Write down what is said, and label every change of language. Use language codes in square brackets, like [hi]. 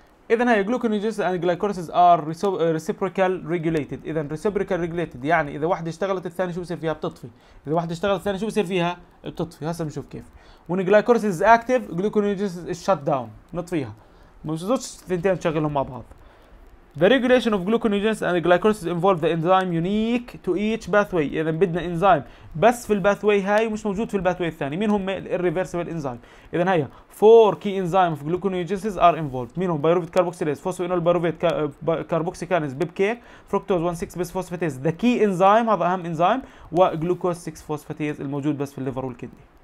[ar] اذا هي جلوكونيوجينيسيس اند جلايكوليسيس ار ريسيبروكال ريجوليتد، اذا ريسيبروكال ريجوليتد يعني اذا واحده اشتغلت الثانيه شو بصير فيها؟ بتطفي. اذا واحده اشتغلت الثانيه شو بصير فيها؟ بتطفي. هسه بنشوف كيف. وين جلايكوليسيس اكتيف جلوكونيوجينيسيس شت داون، بنطفيها، ما بتزبطش الثنتين تشغلهم مع بعض. [en] The regulation of gluconeogenesis and glycolysis involve the enzyme unique to each pathway. [ar] إذا بدنا enzyme بس في الباثوي هاي ومش موجود في الباثوي الثاني، مين هم؟ الريفرسبل انزايم. [en] إذا هي four key enzymes of gluconeogenesis are involved. [ar] مين هم؟ بايروفيت كاربوكسيليز، فوسفينول بايروفيت كاربوكسيكانيز، بيب كيك، فركتوز 1,6 بيس فوسفاتيز، the key enzyme هذا أهم انزايم، وجلوكوز 6 فوسفاتيز الموجود بس في الليفر والكدني.